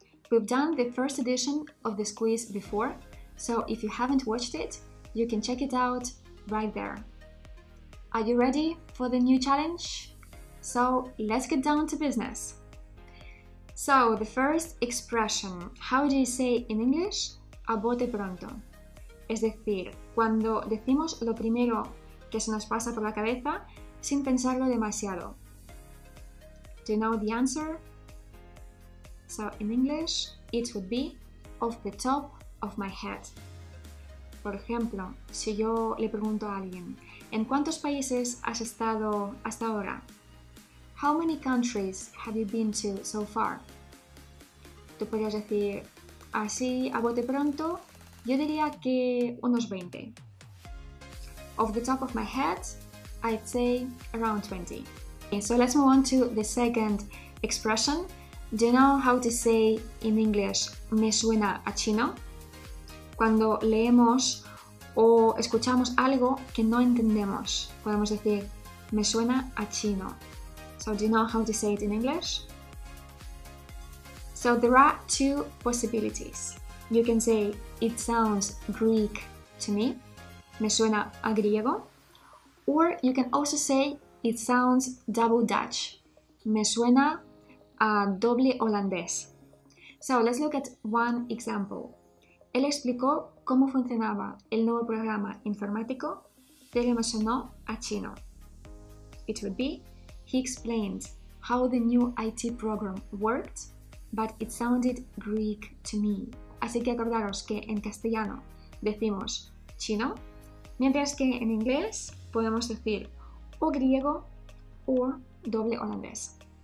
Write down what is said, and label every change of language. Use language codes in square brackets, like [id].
[en] We've done the first edition of this quiz before, so if you haven't watched it, you can check it out right there. Are you ready for the new challenge? So let's get down to business. So, the first expression, how do you say in English, [es] a bote pronto? Es decir, cuando decimos lo primero que se nos pasa por la cabeza sin pensarlo demasiado. Do you know the answer? [en] So, in English, it would be off the top of my head. [es] Por ejemplo, si yo le pregunto a alguien, ¿en cuántos países has estado hasta ahora? [en] How many countries have you been to so far? [es] Tú podrías decir, así a bote pronto, yo diría que unos 20. [en] Off the top of my head, I'd say around 20. Okay, so let's move on to the second expression. Do you know how to say in English, [es] me suena a chino? Cuando leemos o escuchamos algo que no entendemos, podemos decir, me suena a chino. [en] So do you know how to say it in English? So there are 2 possibilities. You can say, it sounds Greek to me, [es] me suena a griego. [en] Or you can also say, it sounds double Dutch, [es] me suena a doble holandés. [en] So let's look at one example. [es] Él explicó cómo funcionaba el nuevo programa informático, pero me sonó a chino. [en] It would be, he explained how the new IT program worked, but it sounded Greek to me. [es] Así que acordaros que en castellano decimos chino, mientras que en inglés podemos decir o griego o doble holandés.